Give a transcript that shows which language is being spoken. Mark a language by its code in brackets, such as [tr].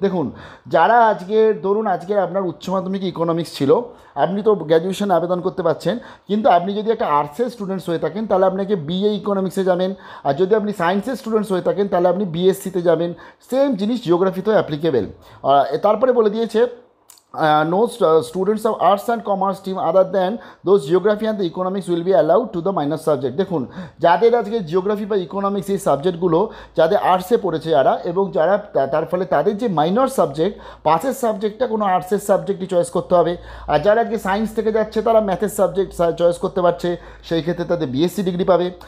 [bn] দেখুন, যারা আজকের ধরুন আজকের আপনার উচ্চ মাধ্যমিক ইকোনমিক্স ছিল আপনি তো গ্র্যাজুয়েশন আবেদন করতে পারছেন, কিন্তু আপনি যদি একটা আর্টসের স্টুডেন্টস হয়ে থাকেন তাহলে আপনাকে বিএ ইকোনমিক্সে যাবেন, আর যদি আপনি সায়েন্সের স্টুডেন্টস হয়ে থাকেন তাহলে আপনি বিএসসিতে যাবেন, সেম জিনিস জিওগ্রাফিতেও অ্যাপ্লিকেবেল। তারপরে বলে দিয়েছে [en] no students of arts and commerce stream other than those geography and the economics will be allowed to the minor subject. [bn] দেখুন যাদের আজকে জিওগ্রাফি বা ইকোনমিক্স এই সাবজেক্টগুলো যাদের আর্টসে পড়েছে যারা এবং যারা তার ফলে তাদের যে মাইনর সাবজেক্ট পাশের সাবজেক্টটা কোনো আর্টসের সাবজেক্টই চয়েস করতে হবে, আর যারা আজকে সায়েন্স থেকে যাচ্ছে তারা ম্যাথের সাবজেক্ট চয়েস করতে পারছে, সেই ক্ষেত্রে তাদের বিএসসি ডিগ্রি পাবে।